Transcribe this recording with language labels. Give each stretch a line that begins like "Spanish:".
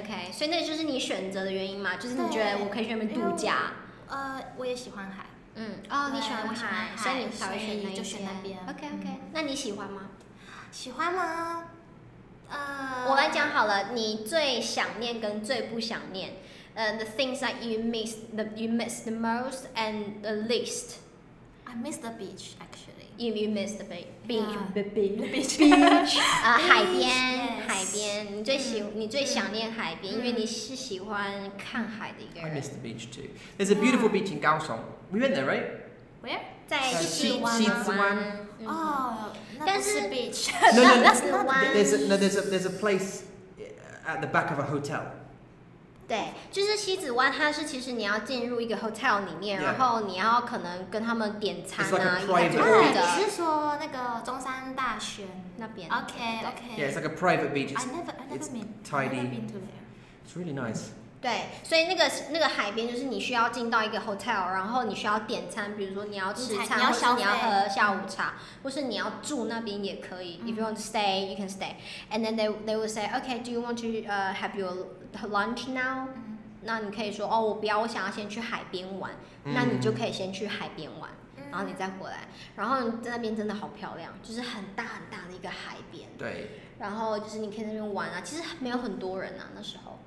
Chinese: OK， 所以那就是你选择的原因嘛，就是你觉得我可以去那边度假。我也喜欢海。你喜欢海，所以你才会选就选那边。 OK， 那你喜欢吗？喜欢吗？我来讲好了，你最想念跟最不想念。
English: The things that you miss the most and the least. I miss the beach actually. You miss the beach. Beach.
Chinese: Beach. 海边，海边。你最想念海边，因为你是喜欢看海的一个人。
English: I miss the beach too. There's a beautiful beach in Kaohsiung. We went there, right? Where?
Chinese: 在西子湾。哦，那不是 beach.
English: No. That's not the one. There's a place at the back of a hotel.
Chinese: 对，就是西子湾，它是其实你要进入一个 hotel 里面，
English: yeah.
Chinese: 然后你要可能跟他们点餐啊，你是说那个中山大学那边
English: ？OK OK。 Yeah, it's like a private beach. I've never been to there. It's really nice.
Chinese: 对，所以那个海边就是你需要进到一个 hotel， 然后你需要点餐，比如说你要吃餐，或是你要喝下午茶，或是你要住那边也可以。
English: If you want to stay, you can stay. And then they will say, okay, do you want to have your lunch now?、 Mm-hmm.
Chinese: 那你可以说哦，我不要，我想要先去海边玩。 Mm-hmm. 那你就可以先去海边玩， mm-hmm. 然后你再回来。然后在那边真的好漂亮，就是很大很大的一个海边。对。然后就是你可以在那边玩啊，其实没有很多人啊那时候。